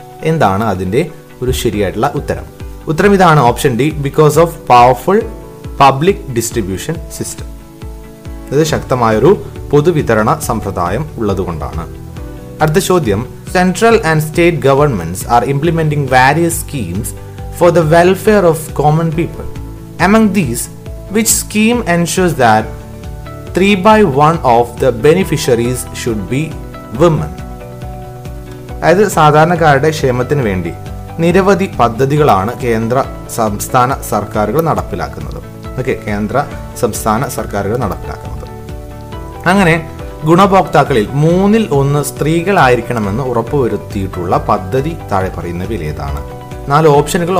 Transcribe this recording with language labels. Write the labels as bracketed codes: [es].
[ml] എന്താണ് അതിൻ്റെ ഒരു ശരിയായിട്ടുള്ള ഉത്തരം? ഉത്തരം ഇതാണ്, option D, [en] because of powerful public distribution system, [ml] അത് ശക്തമായൊരു പൊതുവിതരണ സമ്പ്രദായം ഉള്ളതുകൊണ്ടാണ്. അടുത്ത ചോദ്യം, [en] Central and state governments are implementing various schemes for the welfare of common people. Among these, which scheme ensures that 3/1 of the beneficiaries should be women? [ml] അതായത് സാധാരണക്കാരുടെ ക്ഷേമത്തിന് വേണ്ടി നിരവധി പദ്ധതികളാണ് കേന്ദ്ര സംസ്ഥാന സർക്കാരുകൾ നടപ്പിലാക്കുന്നത്. ഒക്കെ കേന്ദ്ര സംസ്ഥാന സർക്കാരുകൾ നടപ്പിലാക്കുന്നത്. അങ്ങനെ ഗുണഭോക്താക്കളിൽ 3/1 സ്ത്രീകളായിരിക്കണമെന്ന് ഉറപ്പുവരുത്തിയിട്ടുള്ള പദ്ധതി താഴെ പറയുന്നവയിൽ ഏതാണ്? 4 ഓപ്ഷനുകൾ.